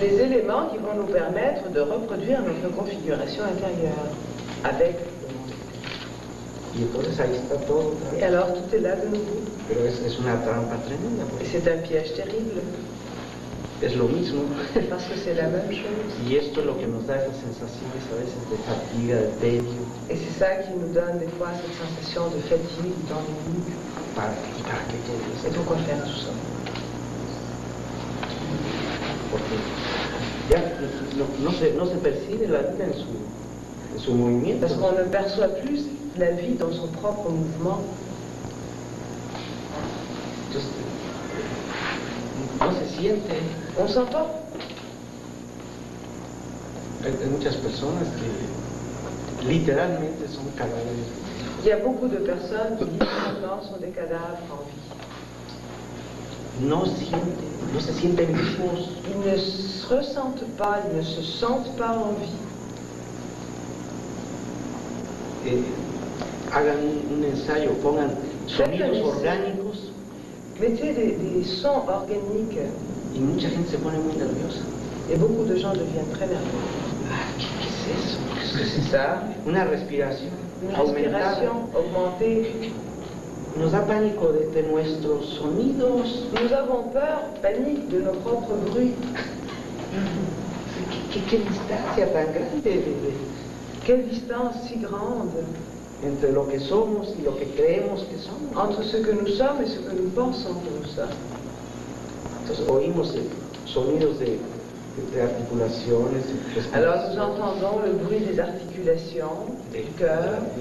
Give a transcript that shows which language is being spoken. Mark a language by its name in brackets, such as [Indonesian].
[French] Les éléments qui vont nous permettre de reproduire notre configuration intérieure avec le monde extérieur. Et alors, tout est là de nouveau. [Spanish] Pero es una trampa tremenda. [French] Et c'est un piège terrible. [Spanish] Es lo mismo. [French] Parce que c'est la même chose. [Spanish] Y esto es lo que nos da esas sensaciones a veces de fatiga, de tedio. [French] Et c'est ça qui nous donne des fois cette sensation de fatigue, d'ennui. [Spanish] Para que todo eso. [French] Et pourquoi faire tout ça? [Spanish] Porque ya no se percibe la vida en su movimiento. [French] Parce qu'on ne perçoit plus la vie dans son propre mouvement. [Spanish] Entonces, no se siente, [French] on ne sent pas. Il y a beaucoup de personnes qui littéralement sont des cadavres. Il y a beaucoup de personnes qui littéralement sont des cadavres en vie. [Spanish] No se sienten vivos. [French] Ils ne se ressentent pas, ils ne se sentent pas en vie. [Spanish] Hagan un ensayo, pongan sonidos orgánicos. [French] Mettez des sons organiques. [Spanish] Y mucha gente se pone muy nerviosa. [French] Et beaucoup de gens deviennent très nerveux. Ah, qu'est-ce que c'est ça? [Spanish] Una respiración. [French] Une respiration augmentée. [Spanish] Nos da pánico de nuestros sonidos. [French] Nous avons peur, panique de nos propres bruits. [Spanish] Qué distancia tan grande. [French] Quelle distance si grande. [Spanish] Entre lo que somos y lo que creemos que somos. [French] Entre ce que nous sommes et ce que nous pensons que nous sommes. [Spanish] Entonces oímos sonidos de articulaciones. [French] Alors nous entendons le bruit des articulations, du cœur.